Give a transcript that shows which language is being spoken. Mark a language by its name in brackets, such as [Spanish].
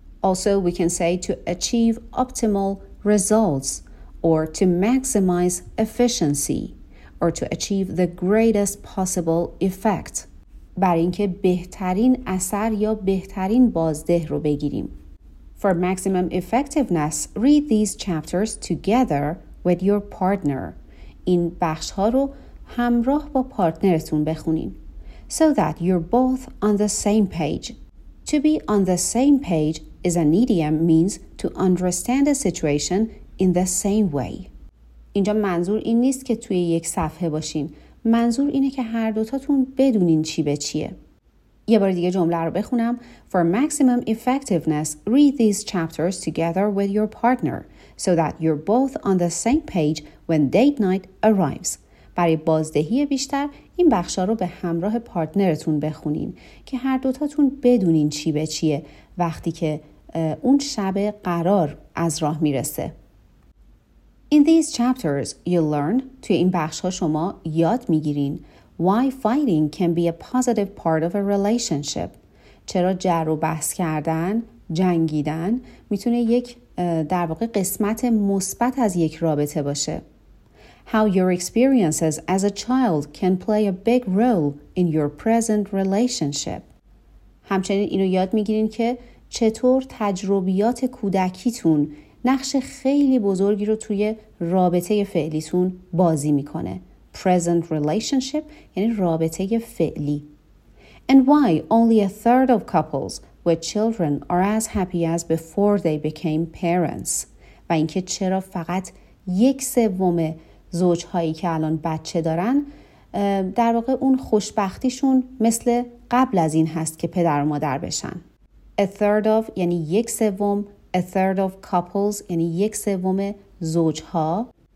[English] Also we can say to achieve optimal results or to maximize efficiency or to achieve the greatest possible effect. [Persian] برای اینکه بهترین اثر یا بهترین بازده رو بگیریم. [English] For maximum effectiveness read these chapters together with your partner. [Persian] این بخش ها رو همراه با پارتنرتون بخونین. [English] So that you're both on the same page. To be on the same page is an idiom means to understand a situation in the same way. [Persian] اینجا منظور این نیست که توی یک صفحه باشین. منظور اینه که هر دوتاتون بدونین چی به چیه. یه بار دیگه جمله رو بخونم. [English] For maximum effectiveness, read these chapters together with your partner so that you're both on the same page when date night arrives. [Persian] برای بازدهی بیشتر این بخشا رو به همراه پارتنرتون بخونین که هر دوتاتون بدونین چی به چیه وقتی که اون شب قرار از راه میرسه. [English] In these chapters you learn [Persian] توی این بخشا شما یاد میگیرین [English] why fighting can be a positive part of a relationship. [Persian] چرا جر و بحث کردن، جنگیدن میتونه یک در واقع قسمت مثبت از یک رابطه باشه. [English] How your experiences as a child can play a big role in your present relationship. [Persian] همچنین اینو یاد میگیرین که چطور تجربیات کودکیتون نقش خیلی بزرگی رو توی رابطه فعلیتون بازی میکنه. Present relationship یعنی رابطه فعلی. [English] And why only a third of couples where children are as happy as before they became parents. [Persian] و اینکه چرا فقط یک سوم زوجهایی که الان بچه دارن در واقع اون خوشبختیشون مثل قبل از این هست که پدر و مادر بشن. A third of یعنی یک سوم، a third of couples یعنی یک سوم زوجها.